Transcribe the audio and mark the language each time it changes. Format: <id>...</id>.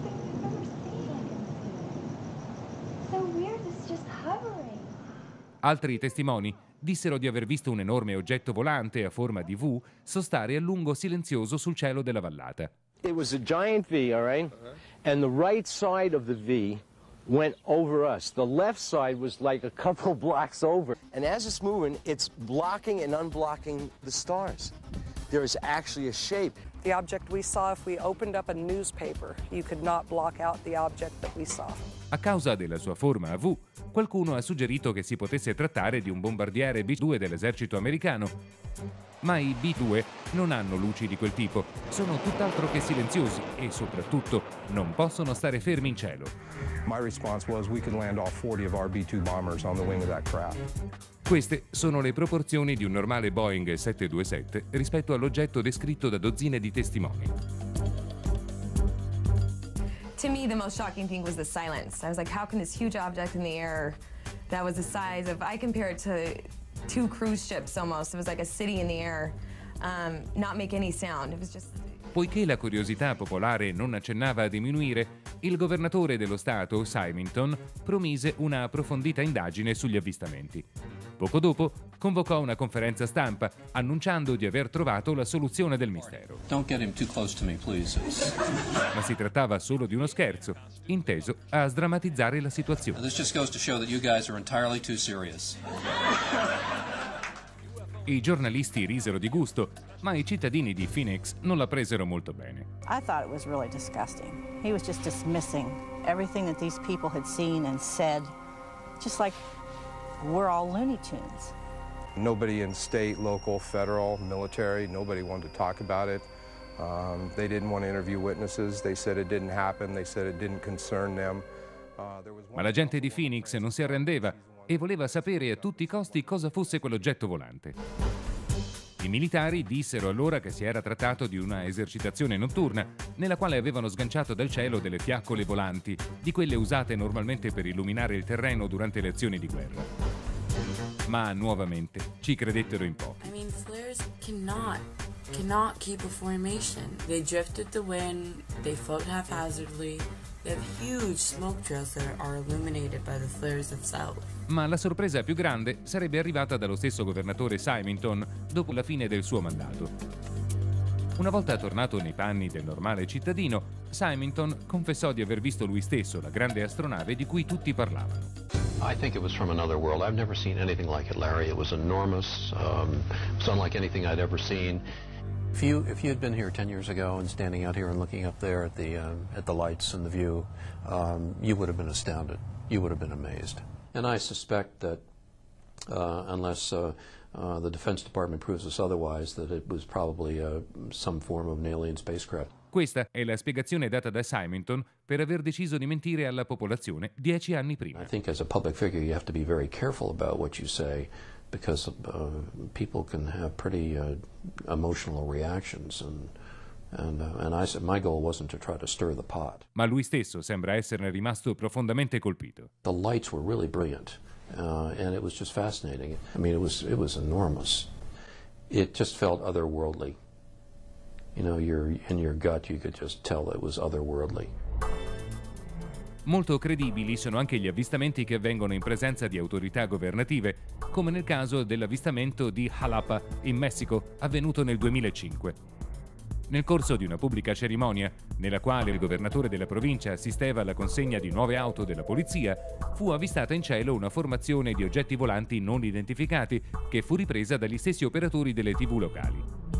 <en>It's the weirdest thing I've ever seen. So weird, it's just hovering.</en> <it>Altri testimoni dissero di aver visto un enorme oggetto volante a forma di V sostare a lungo silenzioso sul cielo della vallata.</it> <en>It was a giant V, all right? And the right side of the V went over us. The left side was like a couple blocks over. And as it's moving, it's blocking and unblocking the stars. There is actually a shape. The object we saw, if we opened up a newspaper, you could not block out the object that we saw.</en> <it>A causa della sua forma a V, qualcuno ha suggerito che si potesse trattare di un bombardiere B-2 dell'esercito americano. Ma i B-2 non hanno luci di quel tipo, sono tutt'altro che silenziosi e soprattutto non possono stare fermi in cielo.</it> <en>My response was we could land off 40 of our B-2 bombers on the wing of that craft.</en> <it>Queste sono le proporzioni di un normale Boeing 727 rispetto all'oggetto descritto da dozzine di testimoni.</it> <en>To me the most shocking thing was the silence. I was like, how can this huge object in the air that was the size of, I compare it to two cruise ships almost, it was like a city in the air, not make any sound. It was just...</en> <it>Poiché la curiosità popolare non accennava a diminuire, il governatore dello Stato, Symington, promise una approfondita indagine sugli avvistamenti. Poco dopo, convocò una conferenza stampa, annunciando di aver trovato la soluzione del mistero.</it> <en>Don't get him too close to me, please.</en> <it>Ma si trattava solo di uno scherzo, inteso a sdrammatizzare la situazione.</it> <en>This just goes to show that you guys are entirely too serious.</en> <it>I giornalisti risero di gusto, ma i cittadini di Phoenix non la presero molto bene.</it> <en>I thought it was really disgusting. He was just dismissing everything that these people had seen and said, just like we're all Looney Tunes. Nobody in state, local, federal, military, nobody wanted to talk about it. They didn't want to interview witnesses. They said it didn't happen. They said it didn't concern them.</en> <it>Ma la gente di Phoenix non si arrendeva e voleva sapere a tutti i costi cosa fosse quell'oggetto volante. I militari dissero allora che si era trattato di una esercitazione notturna nella quale avevano sganciato dal cielo delle fiaccole volanti, di quelle usate normalmente per illuminare il terreno durante le azioni di guerra. Ma nuovamente ci credettero in pochi.</it> <en>I mean, flares cannot keep a formation. They drift with the wind, they float haphazardly. They have huge smoke trails that are illuminated by the flares themselves.</en> <it>Ma la sorpresa più grande sarebbe arrivata dallo stesso governatore Symington dopo la fine del suo mandato. Una volta tornato nei panni del normale cittadino, Symington confessò di aver visto lui stesso la grande astronave di cui tutti parlavano.</it> <en>I think it was from another world. I've never seen anything like it, Larry. It was enormous. It's unlike anything I'd ever seen. If you had been here 10 years ago and standing out here and looking up there at the lights and the view, you would have been astounded. You would have been amazed. And I suspect that unless the Defense Department proves us otherwise, that it was probably some form of an alien spacecraft.</en> <it>Questa è la spiegazione data da Symington per aver deciso di mentire alla popolazione 10 anni prima.</it> <en>I think as a public figure you have to be very careful about what you say, because people can have pretty emotional reactions and my goal wasn't to try to stir the pot.</en> <it>Ma lui stesso sembra esserne rimasto profondamente colpito.</it> <en>The lights were really brilliant and it was just fascinating. I mean it was enormous. It just felt otherworldly. You know, in your gut you could just tell it was otherworldly.</en> <it>Molto credibili sono anche gli avvistamenti che avvengono in presenza di autorità governative, come nel caso dell'avvistamento di Jalapa, in Messico, avvenuto nel 2005. Nel corso di una pubblica cerimonia, nella quale il governatore della provincia assisteva alla consegna di nuove auto della polizia, fu avvistata in cielo una formazione di oggetti volanti non identificati, che fu ripresa dagli stessi operatori delle TV locali.</it>